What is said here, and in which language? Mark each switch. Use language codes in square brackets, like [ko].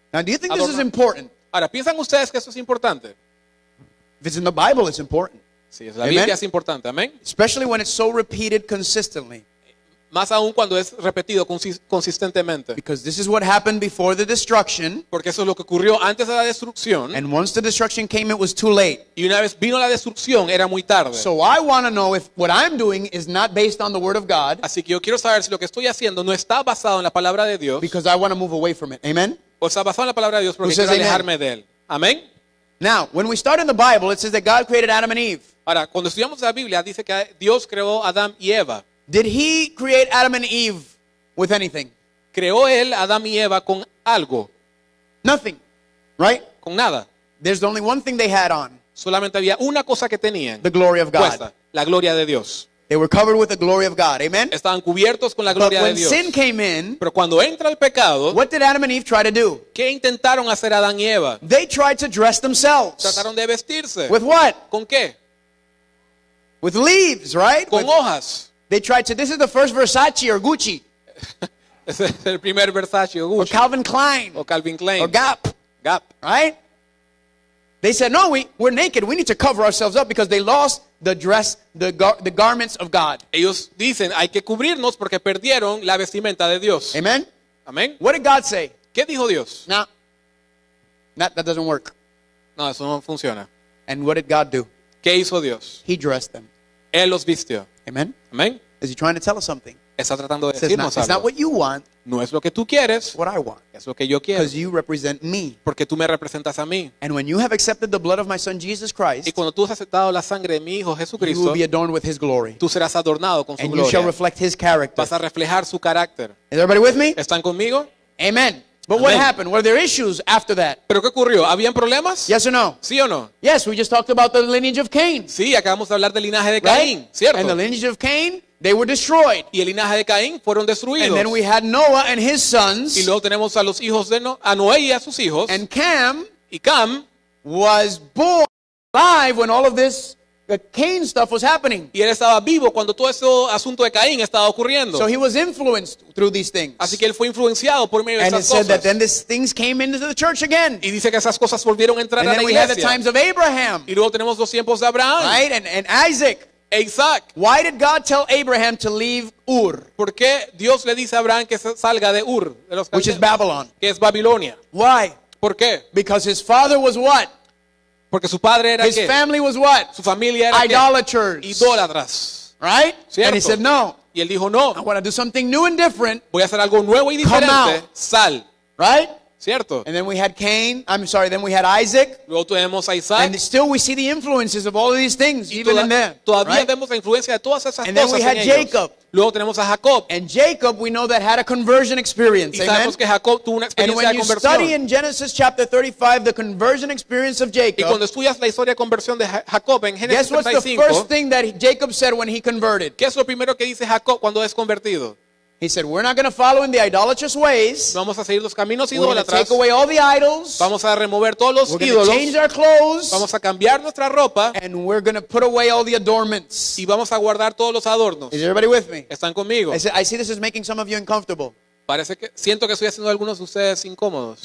[en] Now do you think adornos. This is important? [es] Ahora, ¿piensan ustedes que esto es importante? [en] If it's in the Bible, it's important. [es] Sí, la Amen. Biblia es importante. Amen. [en] Especially when it's so repeated consistently. [es] Más aún cuando es repetido consistentemente. [en] Because this is what happened before the destruction. [es] Porque eso es lo que ocurrió antes de la destrucción. [en] And once the destruction came, it was too late. [es] Y una vez vino la destrucción, era muy tarde. [en] So I want to know if what I'm doing is not based on the word of God. [es] Así que yo quiero saber si lo que estoy haciendo no está basado en la palabra de Dios. [en] Because I want to move away from it. Amen. [es] O está basado en la palabra de Dios porque quiero alejarme de él. Amen. [en] Now, when we start in the Bible, it says that God created Adam and Eve. [es] Ahora, cuando estudiamos la Biblia, dice que Dios creó a Adán y Eva. [en] Did he create Adam and Eve with anything? [es] ¿Creó él Adán y Eva con algo? [en] Nothing. Right? [es] Con nada. [en] There's only one thing they had on. [es] Solamente había una cosa que tenían. [en] The glory of God. [es] Puesta, la gloria de Dios. [en] They were covered with the glory of God. Amen. [es] Estaban cubiertos con la gloria de Dios. [en] But when sin came in, [es] pero cuando entra el pecado, [en] what did Adam and Eve try to do? [es] ¿Qué intentaron hacer Adán y Eva? [en] They tried to dress themselves. [es] Trataron de vestirse. [en] With what? [es] ¿Con qué? [en] With leaves, right? [es] Con hojas. [en] They tried to, this is the first Versace or Gucci. [es] Es el primer Versace o Gucci. [en] Or Calvin Klein. [es] O Calvin Klein. [en] Or Gap. [es] Gap. [en] Right? They said, no, we're naked. We need to cover ourselves up because they lost the dress, the garments of God. [es] Ellos dicen, hay que cubrirnos porque perdieron la vestimenta de Dios. Amen? Amen. [en] What did God say? [es] ¿Qué dijo Dios? [en] No. That doesn't work. [es] No, eso no funciona. [en] And what did God do? [es] ¿Qué hizo Dios? [en] He dressed them. [es] Él los vistió. Amen. Amen. [en] Is he trying to tell us something? [es] Está tratando de decirnos algo. [en] It's not what you want. [es] No es lo que tú quieres. [en] What I want. [es] Es lo que yo quiero. [en] Because you represent me. [es] Porque tú me representas a mí. [en] And when you have accepted the blood of my son Jesus Christ, [es] y cuando tú has aceptado la sangre de mi hijo Jesucristo, [en] you will be adorned with his glory. [es] Tú serás adornado con su [en] and [es] gloria. [en] And you shall reflect his character. [es] Vas a reflejar su carácter. [en] Is everybody with me? [es] ¿Están conmigo? [en] Amen. But Amen. What happened? Were there issues after that? [es] ¿Pero qué ocurrió? ¿Habían problemas? [en] Yes or no? [es] ¿Sí o no? [en] Yes, we just talked about the lineage of Cain. [es] Sí, acabamos de hablar del linaje de Caín. [en] Right? [es] ¿Cierto? [en] And the lineage of Cain, they were destroyed. [es] Y el linaje de Caín fueron destruidos. [en] And then we had Noah and his sons. [es] Y luego tenemos a los hijos de a Noé y a sus hijos. [en] And Cam, [es] y Cam [en] was born alive when all of this the Cain stuff was happening. [es] Y él estaba vivo cuando todo ese asunto de Caín estaba ocurriendo. [en] So he was influenced through these things. [es] Así que él fue influenciado por medio de [en] and [es] esas cosas. [en] And it said that then these things came into the church again. [es] Y dice que esas cosas volvieron a entrar [en] and [es] a la iglesia. [en] And then we had the times of Abraham. [es] Y luego tenemos los tiempos de Abraham. [en] Right? And Isaac. [es] Isaac. [en] Why did God tell Abraham to leave Ur? [es] ¿Por qué Dios le dice a Abraham que salga de Ur? De los [en] which is Babylon. [es] Que es Babilonia. [en] Why? [es] ¿Por qué? [en] Because his father was what? [es] Porque su padre era [en] his [es] qué? [en] Family was what? [es] Su familia era [en] idolaters. [es] Qué? Idólatras. [en] Right? [es] ¿Cierto? [en] And he said no. [es] Y él dijo no. [en] I want to do something new and different. [es] Voy a hacer algo nuevo y diferente. [en] Come out. [es] Sal. [en] Right? [es] ¿Cierto? [en] And then we had Cain. I'm sorry, then we had Isaac. [es] Luego tuvimos a Isaac. [en] And still we see the influences of all of these things, [es] y [en] even in them. [es] Todavía [en] right? [es] vemos la influencia de todas esas [en] and [es] cosas [en] and then we had Jacob. [es] Luego tenemos a Jacob. [en] And Jacob, we know that had a conversion experience. [es] Y sabemos que Jacob tuvo una experiencia [en] and when [es] de [en] you [es] conversión. [en] Study in Genesis chapter 35, the conversion experience of Jacob. [es] Y cuando estudias la historia de conversión de Jacob en Génesis 35. [en] Guess what's the first thing that Jacob said when he converted? [es] ¿Qué es lo primero que dice Jacob cuando es convertido? [en] He said, "We're not going to follow in the idolatrous ways. [es] Vamos a seguir los caminos idólatras. [en] We're going to take away all the idols. [es] Vamos a remover todos los [en] we're [es] ídolos. [en] Going to change our clothes. [es] Vamos a cambiar nuestra ropa. [en] And we're going to put away all the adornments. [es] Y vamos a guardar todos los adornos. [en] Is everybody with me? [es] ¿Están conmigo? [en] I see this is making some of you uncomfortable. [es] Parece que siento que estoy haciendo algunos de ustedes incómodos.